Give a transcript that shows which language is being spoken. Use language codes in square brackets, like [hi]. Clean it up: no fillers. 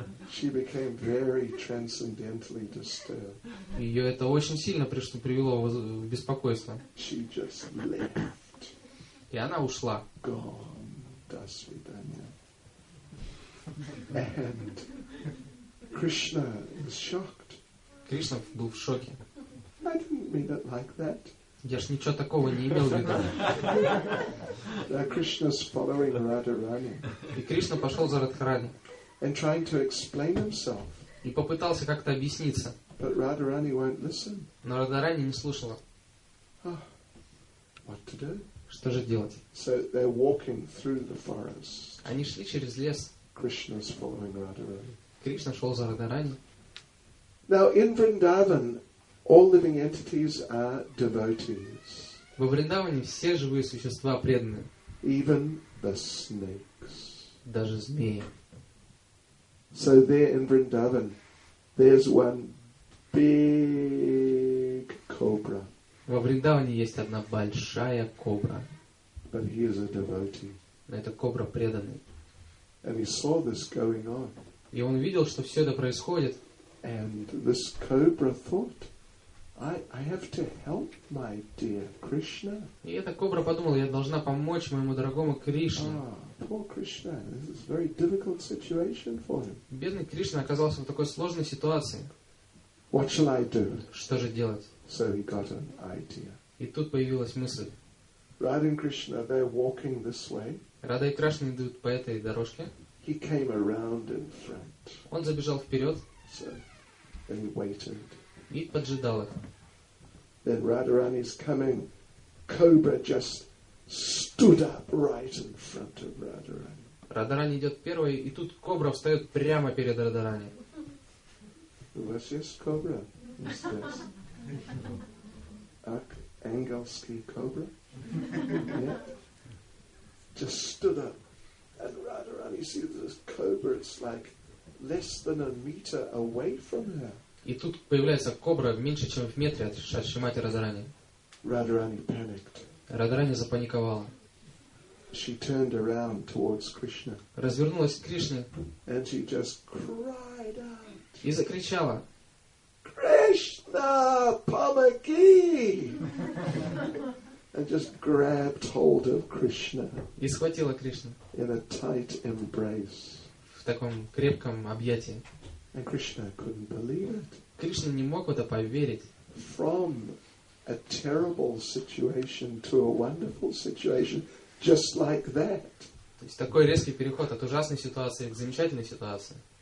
[en] She became very transcendently disturbed. [ru] Ее это очень сильно привело в беспокойство. [en] She just left. [ru] И она ушла. [en] Gone. [ru] До свидания. [en] And Krishna was shocked. [ru] Кришна был в шоке. [en] I didn't mean it like that. [ru] Я ж ничего такого не имел в виду. [en] Krishna's following Radharani. [ru] И Кришна пошел за Радхарани. [en] And trying to explain himself. [ru] И попытался как-то объясниться. [en] But Radharani won't listen. [ru] Но Радхарани не слушала. [en] What to do? [ru] Что же делать? [en] So they're walking through the forest. [ru] Они шли через лес. [en] Krishna's following Radharani. [ru] Кришна шел за Радхарани. [en] Now in Vrindavan, all living entities are devotees. [ru] Во Вриндаване все живые существа преданы. [en] Even the snakes. [ru] Даже змеи. [en] So there in Vrindavan, there's one big cobra. [ru] Во Вриндаване есть одна большая кобра. [en] But he is a devotee. [ru] Но это кобра преданный. [en] And he saw this going on. [ru] И он видел, что все это происходит. [en] And this cobra thought, I have to help my dear Krishna. [ru] И эта кобра подумала, я должна помочь моему дорогому Кришне. [en] Poor Krishna, this is a very difficult situation for him. [ru] Бедный Кришна оказался в такой сложной ситуации. [en] What shall I do? [ru] Что же делать? [en] So he got an idea. [ru] И тут появилась мысль. [en] Radha and Krishna, they're walking this way. [ru] Радха и Кришна идут по этой дорожке. [en] He came around in front. [ru] Он забежал вперед. [en] So, and he waited. [ru] И поджидал их. [en] Then Radharani is coming. Cobra just stood up right in front of Radharani. [ru] Радхарани идет первой, и тут кобра встает прямо перед Радхарани. У вас есть кобра? Ак, ангельский кобра? [en] Just stood up, and Radharani sees this cobra. It's like less than a meter away from her. [ru] И тут появляется кобра меньше, чем в метре от Шримати Радхарани. [en] Radharani panicked. [ru] Радхарани запаниковала. [en] She turned around towards Krishna. [ru] Развернулась к Кришне. [en] And she just cried out. [ru] И закричала. Krishna, помоги! [en] And just grabbed hold of Krishna. [ru] И схватила Кришну. [en] In a tight embrace. [ru] В таком крепком объятии. [en] And Krishna couldn't believe it. [ru] Кришна не мог в это поверить. [en] From a terrible situation to a wonderful situation, just like that. [ru] То есть такой резкий переход от ужасной ситуации к замечательной ситуации.